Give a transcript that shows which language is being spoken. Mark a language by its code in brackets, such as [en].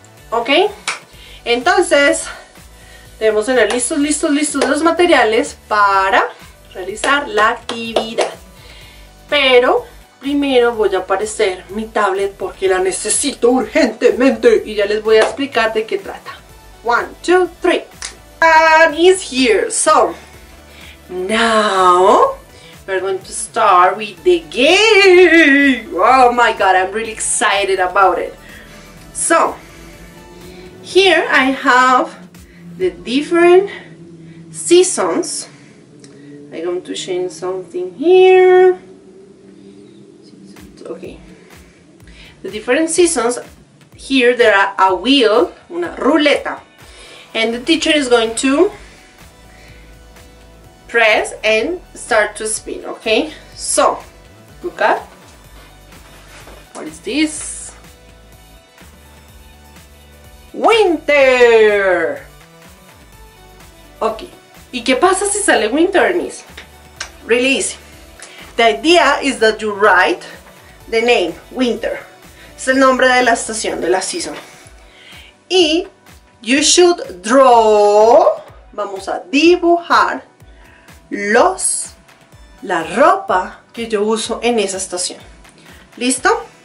[es] Ok, entonces debemos tener listos los materiales para realizar la actividad. Pero primero voy a aparecer mi tablet porque la necesito urgentemente y ya les voy a explicar de qué trata. [en] 1, 2, 3. And it's here. So now we're going to start with the game. Oh my god, I'm really excited about it. So here I have the different seasons. I'm going to change something here. Okay. The different seasons, here there are a wheel, [es] una ruleta. [en] And the teacher is going to press and start to spin, okay? So, look up. What is this? Winter! Okay. [es] ¿Y qué pasa si sale winter, Nis? [en] Really easy. The idea is that you write the name, winter. [es] Es el nombre de la estación, de la season. Y [en] you should draw, [es] vamos a dibujar, la ropa que yo uso en esa estación. ¿Listo?